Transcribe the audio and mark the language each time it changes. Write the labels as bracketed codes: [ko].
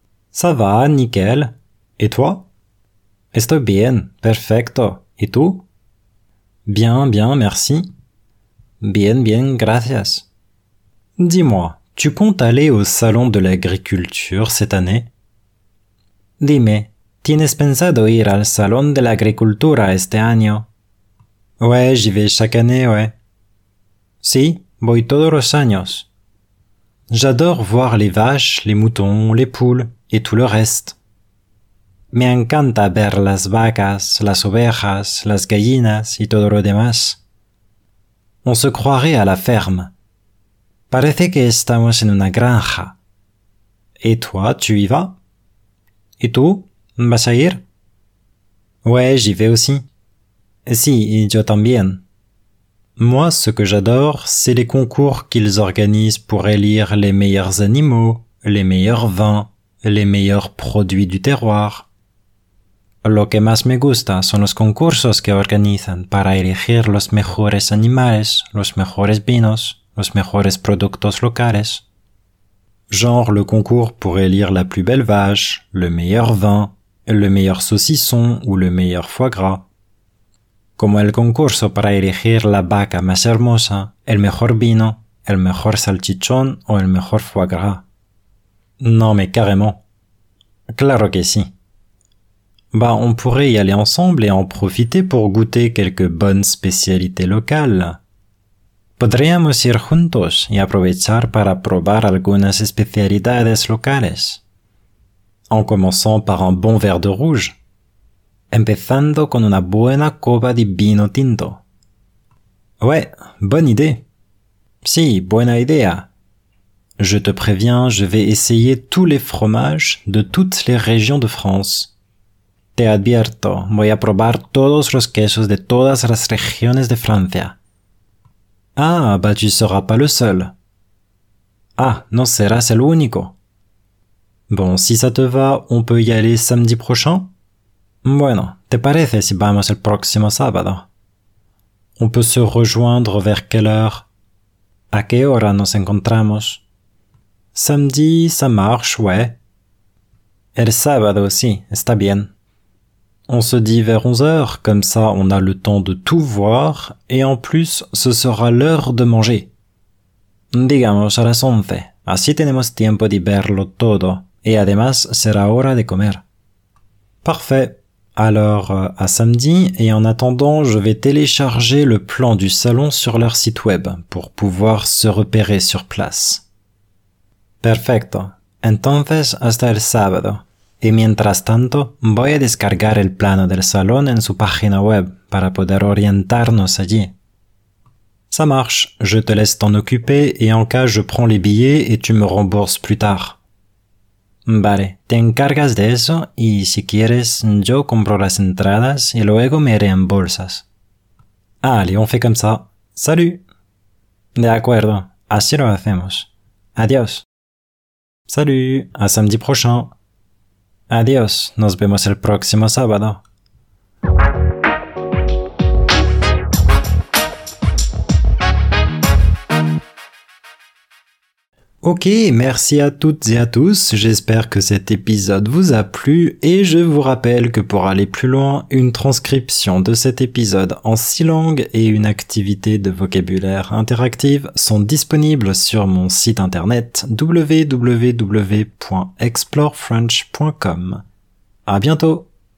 [fr] Ça va, nickel. Et toi? [es] Estoy bien, perfecto. Et tu? [fr] Bien, bien, merci. [es] Bien, bien, gracias. [fr] Dis-moi, tu comptes aller au Salon de l'agriculture cette année? [es] Dime, ¿tienes pensado ir al Salón de la Agricultura este año? [fr] Ouais, j'y vais chaque année, ouais. [es] Sí, voy todos los años. [fr] J'adore voir les vaches, les moutons, les poules et tout le reste. [es] Me encanta ver las vacas, las ovejas, las gallinas y todo lo demás. [fr] On se croirait à la ferme. [es] Parece que estamos en una granja. [fr] Et toi, tu y vas? Et tu, [es] vas a ir? [fr] Ouais, j'y vais aussi. [es] Si, yo también. [fr] Moi, ce que j'adore, c'est les concours qu'ils organisent pour élire les meilleurs animaux, les meilleurs vins, les meilleurs produits du terroir. [es] Lo que más me gusta son los concursos que organizan para elegir los mejores animales, los mejores vinos, los mejores productos locales. [fr] Genre le concours pour élire la plus belle vache, le meilleur vin, le meilleur saucisson ou le meilleur foie gras. [es] Como el concurso para elegir la vaca más hermosa, el mejor vino, el mejor salchichón o el mejor foie gras. [fr] Non mais carrément. [es] Claro que sí. [fr] Bah, on pourrait y aller ensemble et en profiter pour goûter quelques bonnes spécialités locales. [es] Podríamos ir juntos y aprovechar para probar algunas especialidades locales. [fr] En commençant par un bon verre de rouge. [es] Empezando con una buena copa de vino tinto. [fr] Ouais, bonne idée. [es] Sí, buena idea. [fr] Je te préviens, je vais essayer tous les fromages de toutes les régions de France. [es] Te advierto, voy a probar todos los quesos de todas las regiones de Francia. [fr] Ah, bah tu seras pas le seul. [es] Ah, no serás el único. [fr] Bon, si ça te va, on peut y aller samedi prochain? [es] Bueno, ¿te parece si vamos el próximo sábado? [fr] On peut se rejoindre vers quelle heure? [es] ¿A qué hora nos encontramos? [fr] Samedi, ça marche, ouais. [es] El sábado, sí, está bien. [fr] On se dit vers 11h, comme ça on a le temps de tout voir, et en plus, ce sera l'heure de manger. [es] Digamos a las 11, así tenemos tiempo de verlo todo, y además será hora de comer. [fr] Parfait, Alors, à samedi, et en attendant, je vais télécharger le plan du salon sur leur site web pour pouvoir se repérer sur place. [es] Perfecto. Entonces, hasta el sábado. Y mientras tanto, voy a descargar el plano del salón en su página web para poder orientarnos allí. [fr] Ça marche, je te laisse t'en occuper et en cas je prends les billets et tu me rembourses plus tard. [es] Vale, te encargas de eso y si quieres, yo compro las entradas y luego me reembolsas. [fr] Allez, on fait comme ça. Salut! [es] De acuerdo, así lo hacemos. Adiós. [fr] Salut, à samedi prochain. [es] Adiós, nos vemos el próximo sábado. [fr] Ok, merci à toutes et à tous, j'espère que cet épisode vous a plu et je vous rappelle que pour aller plus loin, une transcription de cet épisode en 6 langues et une activité de vocabulaire interactive sont disponibles sur mon site internet www.explorefrench.com. À bientôt !